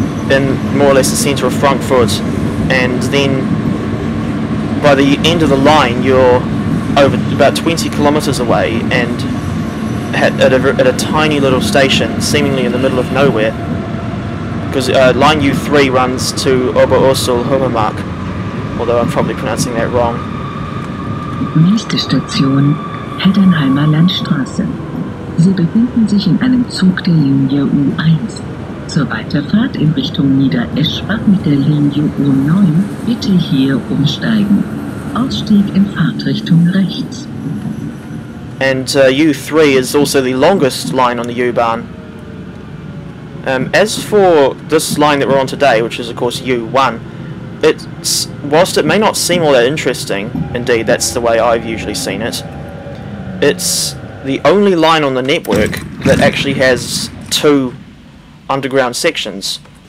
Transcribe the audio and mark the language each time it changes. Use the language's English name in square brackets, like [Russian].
[English] in more or less the centre of Frankfurt, and then by the end of the line you're over about 20 kilometres away and at a tiny little station, seemingly in the middle of nowhere, because line U3 runs to Oberursel-Hohemark, although I'm probably pronouncing that wrong. [German] Nächste Station, Heddernheimer Landstraße. Sie befinden sich in einem Zug der Linie U1. Zur Weiterfahrt in Richtung Niedereschbach mit der Linie U9 bitte hier umsteigen. Ausstieg in Fahrtrichtung rechts. [English] And U3 is also the longest line on the U-Bahn. As for this line that we're on today, which is of course U1, whilst it may not seem all that interesting, indeed that's the way I've usually seen it, it's the only line on the network that actually has two underground sections.